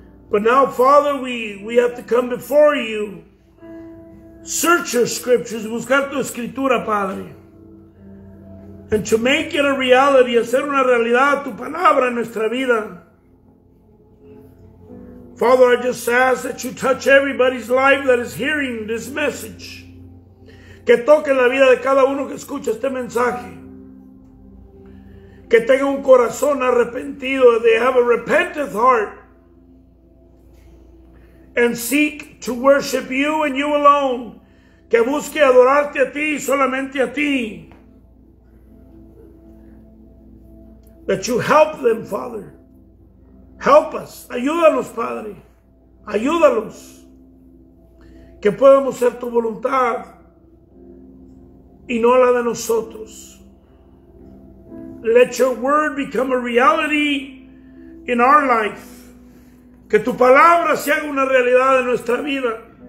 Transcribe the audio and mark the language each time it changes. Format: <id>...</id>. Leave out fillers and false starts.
<en>But now, Father, we have to come before you. Search your scriptures,</en> <es>buscar tu escritura, Padre.</es> <en>And to make it a reality,</en> <es>hacer una realidad tu palabra en nuestra vida.</es> <en>Father, I just ask that you touch everybody's life that is hearing this message.</en> <es>Que toque la vida de cada uno que escucha este mensaje. Que tenga un corazón arrepentido,</es> <en>that they have a repentant heart. And seek to worship you and you alone.</en> <es>Que busque adorarte a ti y solamente a ti.</es> <en>That you help them, Father. Help us.</en> <es>Ayúdalos, Padre. Ayúdalos. Que podamos ser tu voluntad y no la de nosotros.</es> <en>Let your word become a reality in our life.</en> <es>Que tu palabra se haga una realidad en nuestra vida.</es>